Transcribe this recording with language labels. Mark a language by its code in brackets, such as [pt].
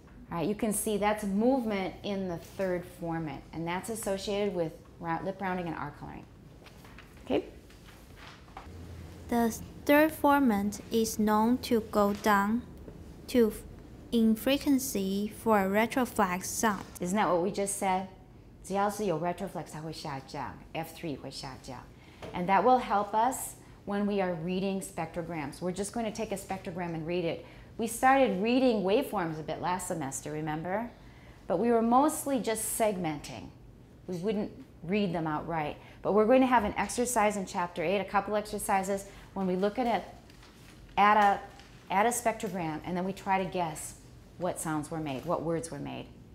[en] All right, you can see that's movement in the third formant, and that's associated with lip rounding and R coloring. Okay? The third formant is known to go down to in frequency for a retroflex sound. Isn't that what we just said? [zh] 只要是有 retroflex, 它会下降, F3会下降. [en] And that will help us when we are reading spectrograms. We're just going to take a spectrogram and read it. We started reading waveforms a bit last semester, remember? But we were mostly just segmenting. We wouldn't read them outright. But we're going to have an exercise in Chapter 8, a couple exercises, when we look at it at a spectrogram, and then we try to guess what sounds were made, what words were made.